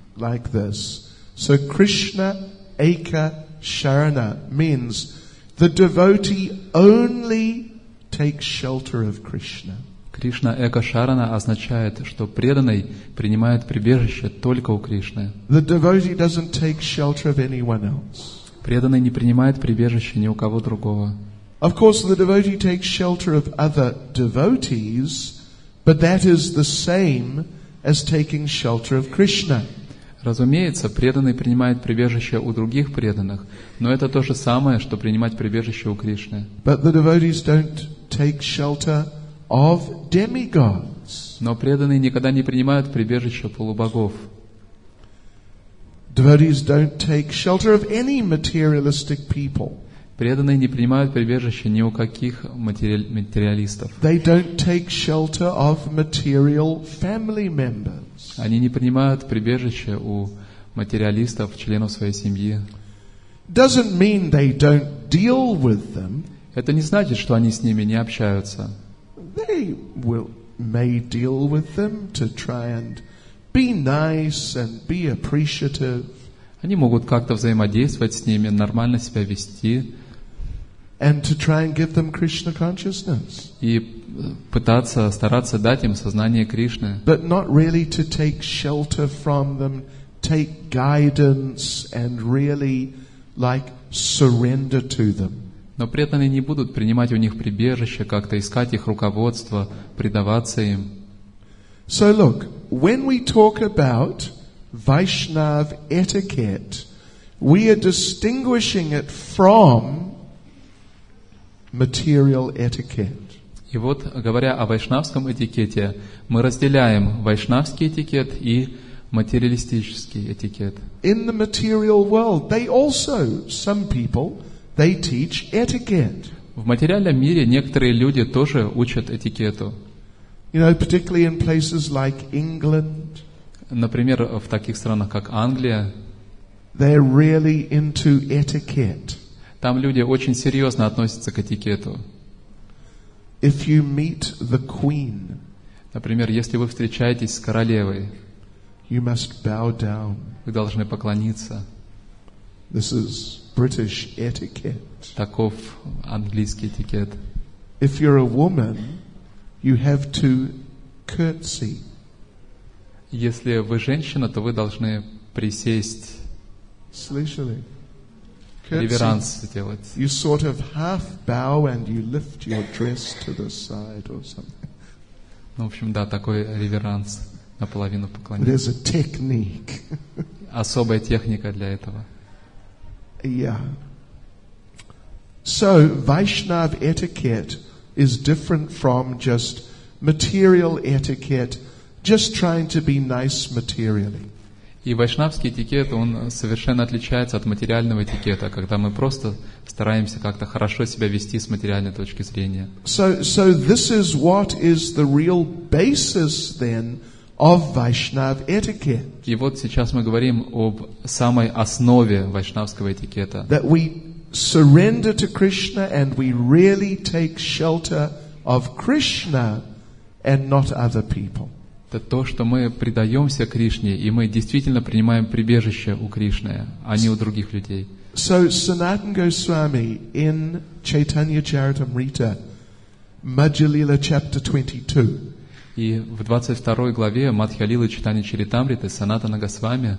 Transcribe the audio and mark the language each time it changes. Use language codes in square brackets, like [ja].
[en] Like this. So Krishna Eka Sharana means the devotee only takes shelter of Krishna. [ru] Кришна Эка Шарана означает, что преданный принимает прибежище только у Кришны. [en] The devotee doesn't take shelter of anyone else. [ru] Преданный не принимает прибежище ни у кого другого. [en] Of course, the devotee takes shelter of other devotees, but that is the same as taking shelter of Krishna. [ru] Разумеется, преданный принимает прибежище у других преданных, но это то же самое, что принимать прибежище у Кришны. [en] But the devotees don't take shelter of demigods. [ru] Но преданные никогда не принимают прибежище полубогов. [en] Devotees don't take shelter of any materialistic people. [ru] Преданные не принимают прибежище ни у каких материалистов. [en] They don't take shelter of material family members. [ru] Они не принимают прибежище у материалистов, членов своей семьи. [en] Doesn't mean they don't deal with them. [ru] Это не значит, что они с ними не общаются. [en] They will, may deal with them to try and be nice and be appreciative. [ru] Они могут как-то взаимодействовать с ними, нормально себя вести. [en] And to try and give them Krishna consciousness. [ru] И пытаться, стараться дать им сознание Кришны. [en] But not really to take shelter from them, take guidance and really like surrender to them. [ru] Но при этом они не будут принимать у них прибежище, как-то искать их руководство, предаваться им. [en] So look, when we talk about Vaishnav etiquette, we are distinguishing it from material etiquette. [ru] И вот, говоря о вайшнавском этикете, мы разделяем вайшнавский этикет и материалистический этикет. [en] In the material world, they also, some people, they teach etiquette. [ru] В материальном мире некоторые люди тоже учат этикету. [en] You know, particularly in places like England. [ru] Например, в таких странах, как Англия. [en] They're really into etiquette. [ru] Там люди очень серьезно относятся к этикету. [en] If you meet the queen, [ru] например, если вы встречаетесь с королевой, [en] you must bow down. [ru] Вы должны поклониться. [en] This is British etiquette. [ru] Таков английский этикет. [en] If you're a woman, you have to curtsy. [ru] Если вы женщина, то вы должны присесть. Слышали? Реверанс сделать. [en] You sort of half bow and you lift your dress to the side or something. [ru] Ну, в общем, да, такой реверанс, наполовину поклонения. [en] There's a technique. [ru] Особая техника для этого. [en] Yeah. So, Vaishnav etiquette is different from just material etiquette, just trying to be nice materially. [ru] И вайшнавский этикет, он совершенно отличается от материального этикета, когда мы просто стараемся как-то хорошо себя вести с материальной точки зрения. [en] So this is what is the real basis then of Vaishnav etiquette. [ru] И вот сейчас мы говорим об самой основе вайшнавского этикета. [en] That we surrender to Krishna and we really take shelter of Krishna and not other people. [ru] Это то, что мы предаемся Кришне, и мы действительно принимаем прибежище у Кришны, а не у других людей. [en] So, Sanatana Goswami in Chaitanya Charitamrita, Madhyalila, chapter 22. [ru] И в 22 главе Мадхьялилы Чайтанья Чаритамриты Санатана Госвами